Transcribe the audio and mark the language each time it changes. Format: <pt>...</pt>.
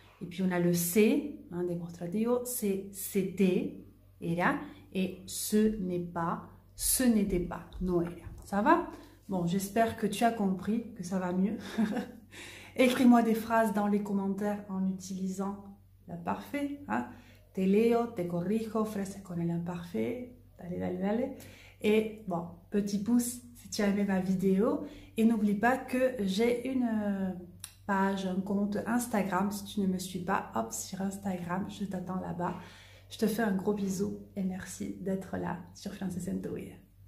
<fr>Et puis, on a le C, hein, demostrativo, c'est c'était,</fr> <es>era,</es> <fr>et ce n'est pas, ce n'était pas,</fr> <es>no era.</es> <fr>Ça va? Bon, j'espère que tu as compris, que ça va mieux. Écris-moi des phrases dans les commentaires en utilisant l'imparfait. Hein?</fr> <es>Te leo, te corrijo, fresco con el imparfait. Dale, dale, dale.</es> <fr>Et bon, petit pouce si tu as aimé ma vidéo. Et n'oublie pas que j'ai une page, un compte Instagram. Si tu ne me suis pas, hop, sur Instagram, je t'attends là-bas. Je te fais un gros bisou et merci d'être là sur Frances Santuyas.</fr>